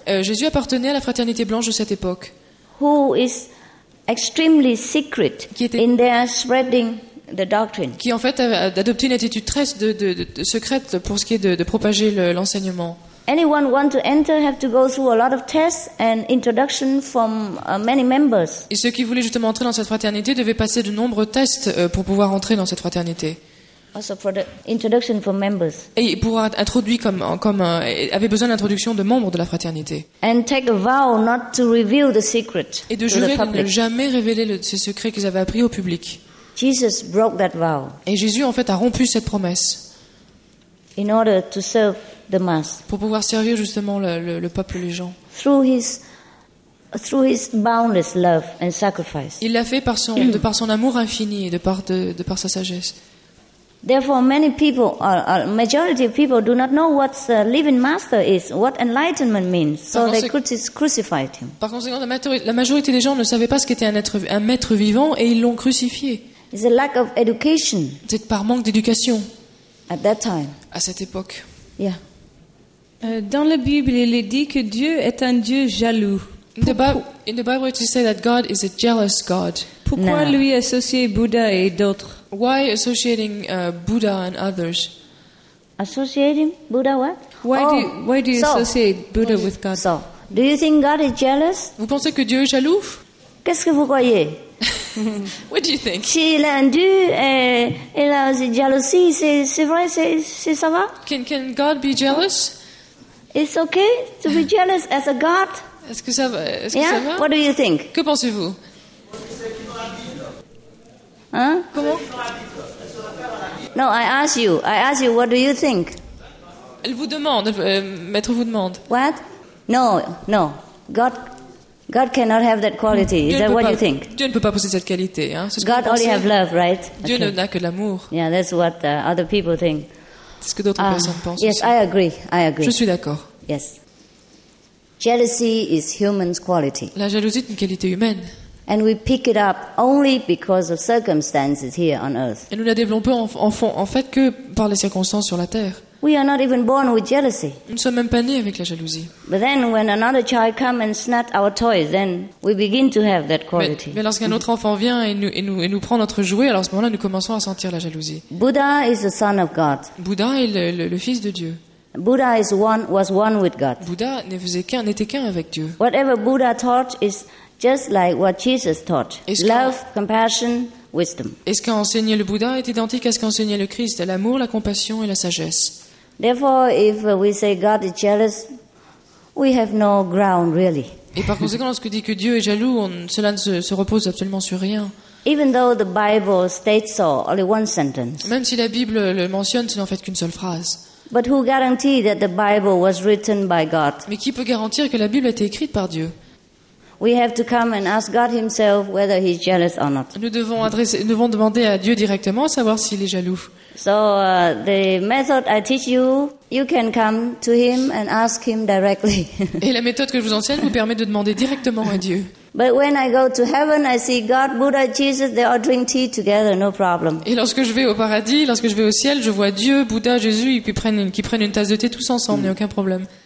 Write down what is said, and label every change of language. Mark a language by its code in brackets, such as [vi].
[fr] Jésus appartenait à la fraternité blanche de cette époque. [en] Who is extremely secret in their spreading. The doctrine. [fr] Qui en fait a adopté une attitude très de secrète pour ce qui est de propager l'enseignement. [en] Anyone want to enter have to go through a lot of tests and introduction from many members. [fr] Et ceux qui voulaient justement entrer dans cette fraternité devaient passer de nombreux tests pour pouvoir entrer dans cette fraternité. [en] Also for the introduction from members. [fr] Et pour introduire comme avait besoin d'introduction de membres de la fraternité. [en] And take a vow not to reveal the secret. [fr] Et de jurer [en] to the public. [fr] De ne jamais révéler ces secrets qu'ils avaient appris au public. [en] Jesus broke that vow. [fr] Et Jésus en fait a rompu cette promesse. [en] In order to serve the mass. [fr] Pour pouvoir servir justement le peuple, les gens. [en] Through his boundless love and sacrifice. [fr] Il l'a fait par son amour infini et de par sa sagesse. [en] Therefore, many people, majority of people, do not know what the living master is, what enlightenment means. So they crucified him. [fr] Par conséquent, la majorité des gens ne savaient pas ce qu'était un maître vivant et ils l'ont crucifié. [en] It's a lack of education. [fr] C'est par manque d'éducation. [en] At that time. [fr] À cette époque. [en] Yeah. [fr] Dans la Bible, il est dit que Dieu est un Dieu jaloux. [en] In the Bible, it is said that God is a jealous God. [fr] Pourquoi lui associer Bouddha et d'autres? [en] Why associating Buddha and others? Associating Buddha what? Why do you associate Buddha with God? So, do you think God is jealous? [fr] Vous pensez que Dieu est jaloux? Qu'est-ce que vous croyez? [en] What do you think? [fr] Si il a un dieu et il a cette jalousie, c'est vrai, c'est ça va? [en] Can God be jealous? It's okay to be jealous as a God. [fr] Est-ce que ça va? [en] Yeah. What do you think? [fr] Que pensez-vous? Hein? Comment? [en] No, I ask you. I ask you. What do you think? [fr] Elle vous demande. Maître vous demande. [en] What? No. God cannot have that quality. Is [fr] Dieu [en] that what [fr] pas, [en] you think? [fr] Dieu ne peut pas posséder cette qualité, hein? C'est ce [en] God [fr] que [en] only have love, right? [fr] Dieu okay. N'a que de l'amour. [en] Yeah, that's what other people think. [fr] C'est ce que d'autres personnes pensent. [en] Yes, [fr] aussi. [en] I agree. [fr] Je suis d'accord. [en] Yes. Jealousy is human quality. [fr] La jalousie est une qualité humaine. [en] And we pick it up only because of circumstances here on earth. [fr] Et nous la développons en fait que par les circonstances sur la terre. [en] We are not even born with jealousy. [fr] Nous ne sommes même pas nés avec la jalousie. [en] But then, when another child comes and snatches our toys, then we begin to have that quality. [fr] Mais lorsqu'un autre enfant vient et nous prend notre jouet, alors à ce moment-là, nous commençons à sentir la jalousie. [en] Buddha is the son of God. [fr] Bouddha est le fils de Dieu. [en] Buddha is one, was one with God. [fr] Bouddha n'était qu'un avec Dieu. [en] Whatever Buddha taught is just like what Jesus taught. Love, compassion, wisdom. [fr] Et ce qu'a enseigné le Bouddha est identique à ce qu'enseignait le Christ, l'amour, la compassion et la sagesse. [en] Therefore, if we say God is jealous, we have no ground really. [fr] Et par conséquent, lorsque dit que Dieu est jaloux, cela ne se repose absolument sur rien. [en] Even though the Bible states so, only one sentence. [fr] Même si la Bible le mentionne, ce n'est en fait qu'une seule phrase. [en] But who guarantees that the Bible was written by God? [fr] Mais qui peut garantir que la Bible a été écrite par Dieu? [en] We have to come and ask God Himself whether He's jealous or not. [fr] Nous devons demander à Dieu directement à savoir s'il est jaloux. [en] So the method I teach you, you can come to Him and ask Him directly. [fr] Et la méthode que je vous enseigne vous permet de demander directement à Dieu. [en] But when I go to heaven, I see God, Buddha, Jesus. They all drink tea together, no problem. [fr] Et lorsque je vais au paradis, lorsque je vais au ciel, je vois Dieu, Bouddha, Jésus, et puis qui prennent une tasse de thé tous ensemble, n'y a aucun problème.